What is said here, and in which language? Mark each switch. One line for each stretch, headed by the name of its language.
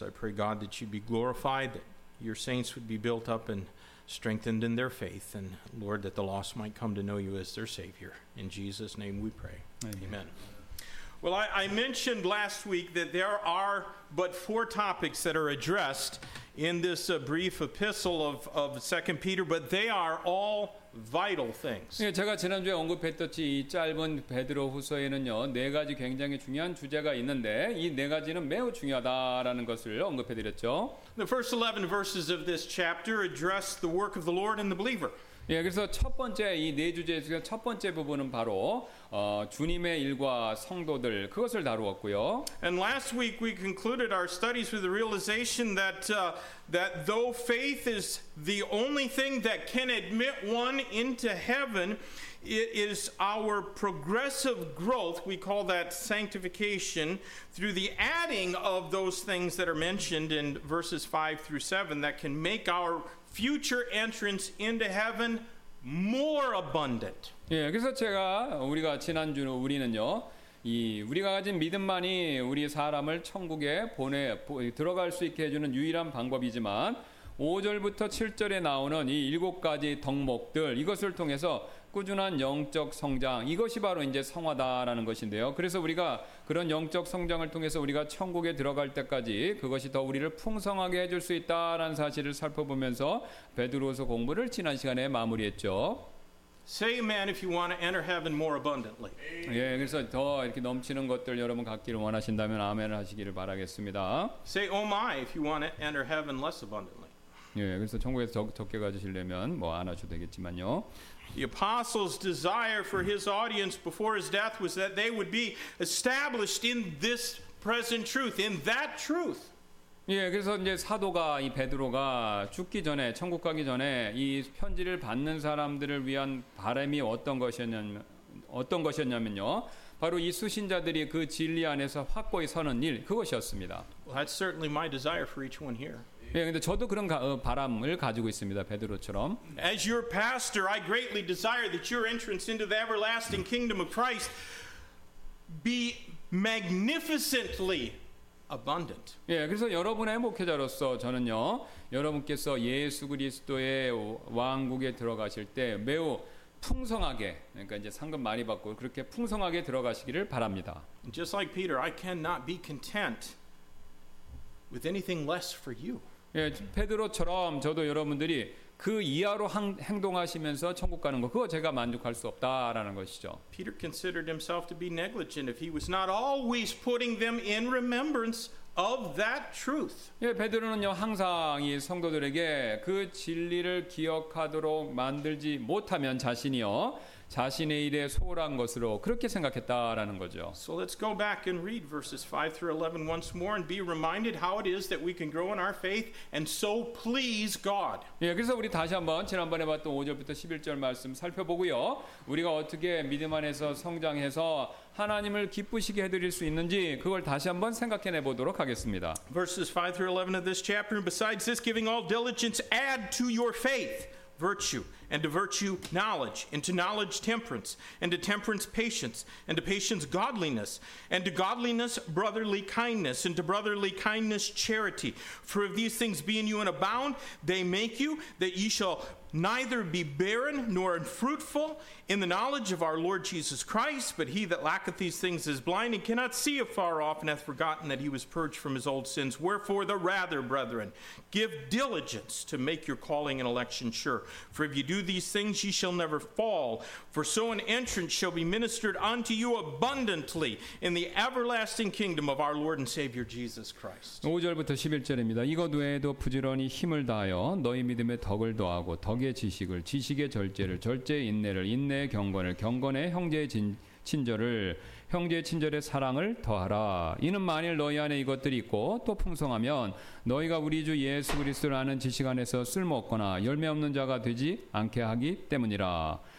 English: I pray, God, that you'd be glorified, that your saints would be built up and strengthened in their faith, and Lord, that the lost might come to know you as their Savior. In Jesus' name we pray. Amen. Well, I mentioned last week that there are but four topics that are addressed in this brief epistle of 2 Peter, but they are all vital things.
Korean: 예, 제가 지난주에 언급했듯이 이 짧은 베드로 후서에는요, 네 가지 굉장히 중요한 주제가 있는데 이 네 가지는 매우 중요하다라는 것을 언급해드렸죠.
English: The first 11 verses of this chapter address the work of the Lord and the believer.
Korean: 예, 그래서 첫 번째 이 네 주제에서 첫 번째 부분은 바로 주님의 일과 성도들 그것을 다루었고요.
English: And last week we concluded our studies with the realization that that though faith is the only thing that can admit one into heaven, it is our progressive growth, we call that sanctification, through the adding of those things that are mentioned in verses 5 through 7 that can make our future entrance into heaven more abundant.
Korean: 예, 그래서 제가 우리가 지난주 우리는요, 이 우리가 가진 믿음만이 우리 사람을 천국에 들어갈 수 있게 해주는 유일한 방법이지만 5절부터 7절에 나오는 이 일곱 가지 덕목들 이것을 통해서 꾸준한 영적 성장 이것이 바로 이제 성화다라는 것인데요. 그래서 우리가 그런 영적 성장을 통해서 우리가 천국에 들어갈 때까지 그것이 더 우리를 풍성하게 해줄 수 있다라는 사실을 살펴보면서 베드로서 공부를 지난 시간에 마무리했죠.
English: Say amen if you want to enter heaven more abundantly.
Korean: 예, 그래서 더 이렇게 넘치는 것들 여러분 갖기를 원하신다면 아멘을 하시기를 바라겠습니다.
English: Say oh my if you want to enter heaven less abundantly.
Korean: 예, 그래서 천국에서 적게 가지시려면 뭐 안 하셔도 되겠지만요.
English: The apostle's desire for his audience before his death was that they would be established in this present truth, in that truth.
Korean: 예, 그래서 이제 사도가 이 베드로가 죽기 전에 천국 가기 전에 이 편지를 받는 사람들을 위한 바람이 어떤 것이었냐면요. 바로 이 수신자들이 그 진리 안에서 확고히 서는 일 그것이었습니다.
English: Well, that's certainly my desire for each one here.
Korean: 예, 근데 저도 그런 바람을 가지고 있습니다. 베드로처럼.
English: As your pastor, I greatly desire that your entrance into the everlasting kingdom of Christ be magnificently abundant.
Korean: 예, 그래서 여러분의 목회자로서 저는요, 여러분께서 예수 그리스도의 왕국에 들어가실 때 매우 풍성하게, 그러니까 이제 상급 많이 받고 그렇게 풍성하게 들어가시기를 바랍니다.
English: Just like Peter, I cannot be content with anything less for you.
Korean: 예, 페드로처럼 저도 여러분들이 그 이하로 행동하시면서 천국 가는 거 그거 제가 만족할 수 없다라는 것이죠.
English: Peter considered himself to be negligent if he was not always putting them in remembrance of that truth.
Korean: 예, 베드로는요 항상 이 성도들에게 그 진리를 기억하도록 만들지 못하면 자신이요 자신의 일에 소홀한 것으로 그렇게 생각했다라는 거죠.
English: So let's go back and read verses 5 through 11 once more and be reminded how it is that we can grow in our faith and so please God.
Korean: 예, 그래서 우리 다시 한번 지난번에 봤던 5절부터 11절 말씀 살펴보고요. 우리가 어떻게 믿음 안에서 성장해서 하나님을 기쁘시게 해드릴 수 있는지 그걸 다시 한번 생각해내 보도록 하겠습니다.
English: Verses 5 through 11 of this chapter, besides this, giving all diligence, add to your faith virtue, and to virtue knowledge, and to knowledge temperance, and to temperance patience, and to patience godliness, and to godliness brotherly kindness, and to brotherly kindness charity. For if these things be in you and abound, they make you that ye shall neither be barren nor unfruitful in the knowledge of our Lord Jesus Christ. But he that lacketh these things is blind and cannot see afar off, and hath forgotten that he was purged from his old sins. Wherefore the rather, brethren, give diligence to make your calling and election sure. For if you do these things, ye shall never fall. For so an entrance shall be ministered unto you abundantly in the everlasting kingdom of our Lord and Savior Jesus Christ.
Korean: 5절부터 11절입니다. 이것 외에도 부지런히 힘을 다하여 너희 믿음에 덕을 더하고 덕의 지식을 지식의 절제를 절제의 인내를 인내의 경건을 경건의 형제의 진, 친절을 형제 친절의 사랑을 더하라. 이는 만일 너희 안에 이것들이 있고 또 풍성하면 너희가 우리 주 예수 그리스도를 아는 지식 안에서 쓸모없거나 열매 없는 자가 되지 않게 하기 때문이라.